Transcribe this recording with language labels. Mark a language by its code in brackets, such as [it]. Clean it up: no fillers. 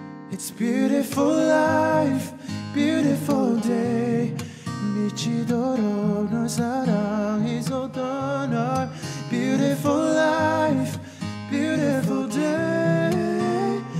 [en] It's beautiful life, beautiful day. [ko] 미치도록 널 사랑했었던 널. [en] Beautiful life, beautiful day.